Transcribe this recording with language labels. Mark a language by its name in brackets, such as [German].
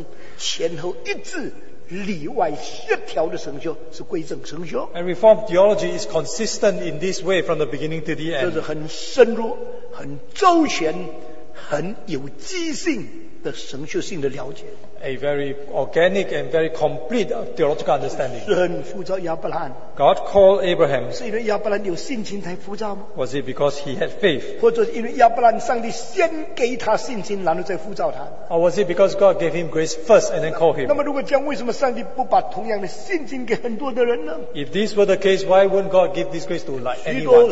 [Chinese] 整个贯彻始终,前后一致。里外协调的神学是归正神学, [English] and Reformed theology is consistent in this way from the beginning to the end. [Chinese] 这是很深入、很周全、很有机性的神学性的了解, [English] a very organic and very complete theological understanding. [Chinese] 神呼召亚伯兰, [English] God called Abraham. [Chinese] 是因为亚伯兰有信心才呼召吗? [English] Was it because he had faith? [Chinese] 或者因为亚伯兰上帝先给他信心,然后再呼召他? [English] Or was it because God gave him grace first and then called him? [Chinese] 那么如果这样,为什么上帝不把同样的信心给很多的人呢? [English] If this were the case, why wouldn't God give this grace to like anyone?